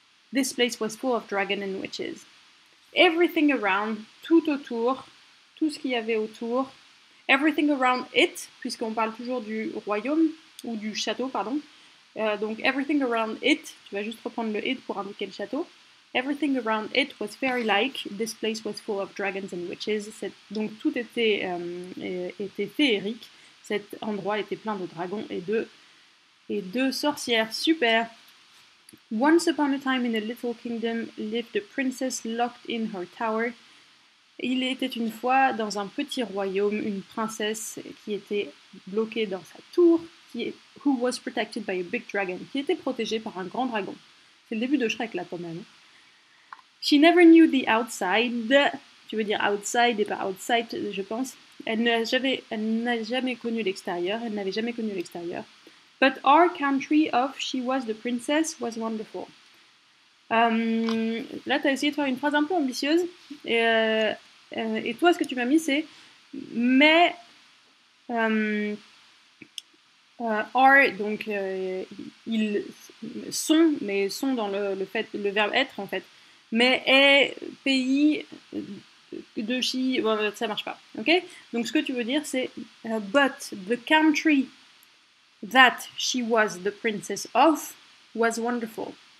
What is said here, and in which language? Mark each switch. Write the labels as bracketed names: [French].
[English] This place was full of dragons and witches. » Everything around, [French] tout autour, tout ce qu'il y avait autour. [English] Everything around it, [French] puisqu'on parle toujours du royaume, ou du château, pardon. Donc, [English] everything around it, [French] tu vas juste reprendre le it pour indiquer le château. [English] Everything around it was fairy-like. This place was full of dragons and witches. [French] Donc, tout était féerique. Cet endroit était plein de dragons et de sorcières. [English] Super! Once upon a time in a little kingdom lived a princess locked in her tower. [French] Il était une fois dans un petit royaume une princesse qui était bloquée dans sa tour, [English] who was protected by a big dragon, [French] qui était protégée par un grand dragon. C'est le début de Shrek là quand même. [English] She never knew the outside. [French] Tu veux dire outside et pas outside, je pense. Elle n'avait jamais connu l'extérieur. [English] But our country of she was the princess was wonderful. [French] Là, tu as essayé de faire une phrase un peu ambitieuse. Et toi, ce que tu m'as mis, c'est mais are, donc ils sont, mais sont dans le fait, le verbe être en fait. Mais est pays de she, bon, ça marche pas. Ok. Donc ce que tu veux dire, c'est [English] but the country that she was the princess of was wonderful.